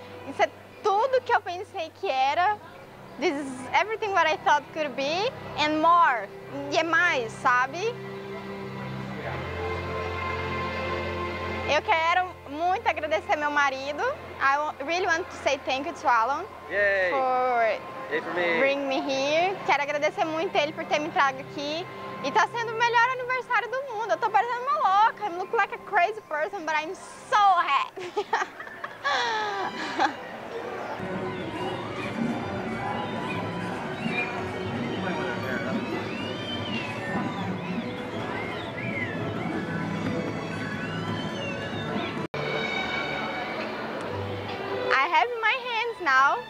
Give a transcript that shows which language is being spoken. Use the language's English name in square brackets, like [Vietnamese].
[Portuguese] Isso é tudo que eu pensei que era. [English] This is everything what I thought could be. And more. [Portuguese] E é mais, sabe? Eu quero muito agradecer meu marido. [English] I really want to say thank you to Alan. Yay. For bringing me here. [Portuguese] Quero agradecer muito ele por ter me trago aqui. E tá sendo o melhor aniversário do mundo. Eu tô parecendo uma louca. [English] I look like a crazy person, but I'm so happy. I have my hands now.